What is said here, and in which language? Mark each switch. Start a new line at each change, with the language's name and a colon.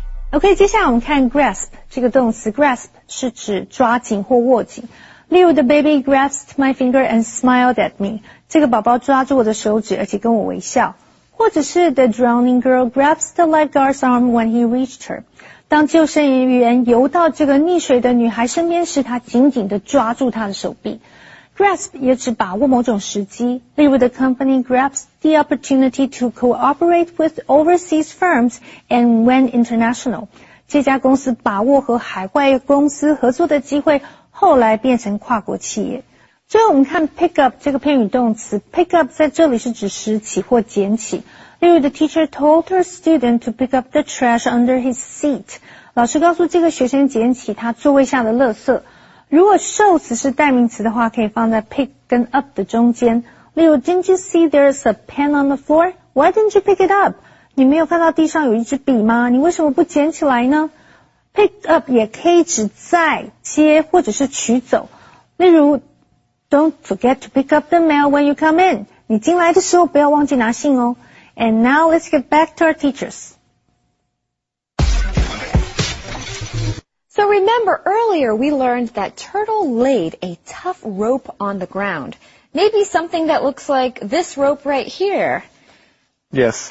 Chinese: OK, 接下来我们看 grasp 这个动词。grasp 是指抓紧或握紧。例如
English: the baby grasped my finger and smiled at me.
Chinese: 这个宝宝抓住我的手指而且跟我微笑。或者是
English: the drowning girl grabs the lifeguard's arm when he reached her.
Chinese: 当救生员游到这个溺水的女孩身边时，她紧紧地抓住她的手臂。
English: Grasp
Chinese: 也指把握某种时机，例如
English: the company grabs the opportunity to cooperate with overseas firms and went international.
Chinese: 这家公司把握和海外公司合作的机会，后来变成跨国企业。最后我们看 pick up 这个片语动词， pick up 在这里是指拾起或捡起。
English: 例如 the teacher told her student to pick up the trash under his seat.
Chinese: 老师告诉这个学生捡起他座位下的垃圾。如果受词是代名词的话，可以放在 pick 跟 up 的中间。例如
English: didn't you see there's a pen on the floor? Why didn't you pick it up?
Chinese: 你没有看到地上有一支笔吗？你为什么不捡起来呢？pick up 也可以指在接或者是取走。例如
English: Don't forget to pick up the mail when you come in.
Chinese: 你进来的时候不要忘记拿信哦。
English: And now let's get back to our teachers. So remember earlier we learned that Turtle laid a tough rope on the ground. Maybe something that looks like this rope right here. Yes.